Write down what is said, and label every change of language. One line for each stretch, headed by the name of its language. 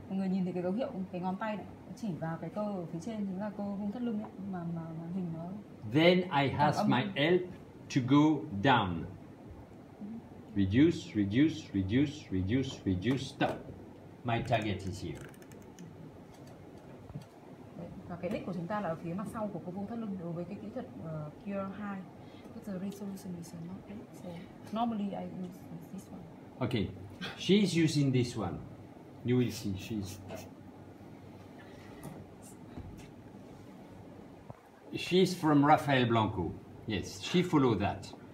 Vietnamese: Mọi người nhìn thấy cái dấu hiệu, cái ngón tay này, chỉ vào cái cơ ở phía trên, chính là cơ vùng thắt lưng ấy, mà hình nó...
English: Then I ask my help to go down. Reduce, reduce, reduce, reduce, reduce, stop. My target is here.
Vietnamese: Và cái đích của chúng ta là ở phía mặt sau của cơ vùng thắt lưng đối với cái kỹ thuật QL2.
English: But the resolution is not okay. So normally I use this one. Okay, she's using this one. You will see, she's... She's from Rafael Blanco. Yes, she follow that.